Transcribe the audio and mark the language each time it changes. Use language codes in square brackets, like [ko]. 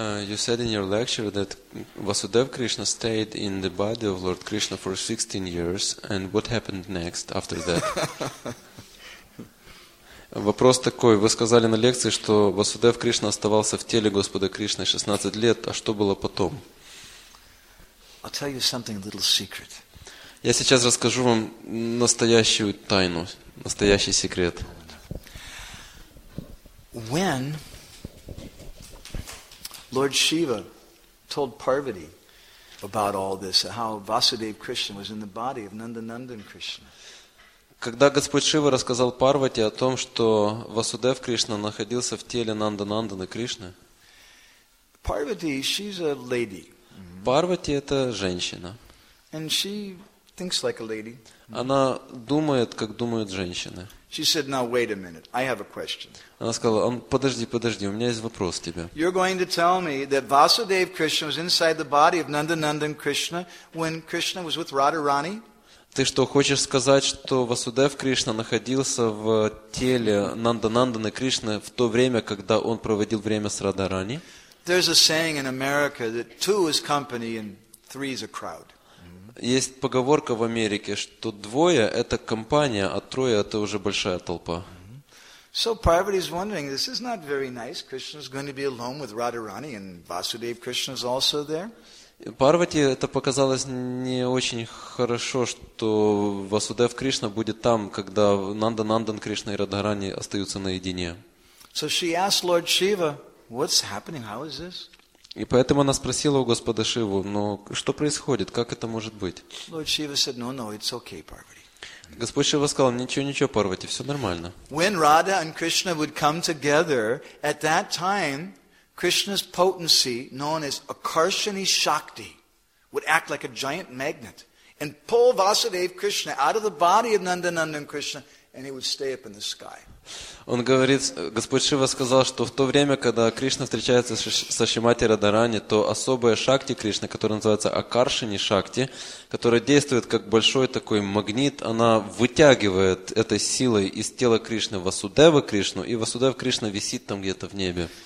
[en] You said in your lecture that Vasudev Krishna stayed in the body of Lord Krishna for 16 years, and what happened next after that? [ru] Вопрос такой. Вы сказали на лекции, что Васудев Кришна оставался в теле Господа Кришны 16 лет, а что было потом? [en] I'll tell you something, a little secret. [ru] Я сейчас расскажу вам настоящую тайну, настоящий секрет. [en] When Lord Shiva told Parvati about all this, how Vasudev Krishna was in the body of Nandanandan Krishna. [ru] Когда Господь Шива рассказал Парвати о том, что Васудев Кришна находился в теле Нанданандана Кришны, [en] Parvati, she's a lady. [ru] Парвати – это женщина. [en] And she thinks like a lady. [ru] Она думает, как думают женщины. [en] She said, "Now wait a minute. I have a question." [ru] Она сказала: "Подожди, подожди, у меня есть вопрос тебе." [en] You're going to tell me that Vasudev Krishna was inside the body of Nandanandan Krishna when Krishna was with Radharani? [ru] Ты что, хочешь сказать, что Васудев Кришна находился в теле Нанданандана Кришны в то время, когда он проводил время с Радарани? [en] There's a saying in America that two is company and three is a crowd. [ru] Есть поговорка в Америке, что двое – это компания, а трое – это уже большая толпа. [en] So Parvati is wondering, this is not very nice. Krishna is going to be alone with Radharani and Vasudev Krishna is also there. [ru] Парвати это показалось не очень хорошо, что Васудев Кришна будет там, когда Нанданандан Кришна и Радхарани остаются наедине. [en] So she asked Lord Shiva, what's happening? How is this? [ru] И поэтому она спросила у Господа Шиву, но что происходит, как это может быть? [en] Lord Shiva said, no, no, it's okay, Parvati. [ru] Господь Шива сказал, ничего, ничего, Парвати, все нормально. [en] When Radha and Krishna would come together at that time, Krishna's potency, known as Akarshani Shakti, would act like a giant magnet and pull Vasudev Krishna out of the body of Nandanandan Krishna, and he would stay up in the sky. [ru] Он говорит, Господь Шива сказал, что в то время, когда Кришна встречается со Шримати Радарани, то особая шакти Кришны, которая называется Акаршини Шакти, которая действует как большой такой магнит, она вытягивает этой силой из тела Кришны Васудева Кришну, и Васудев Кришна висит там где-то в небе.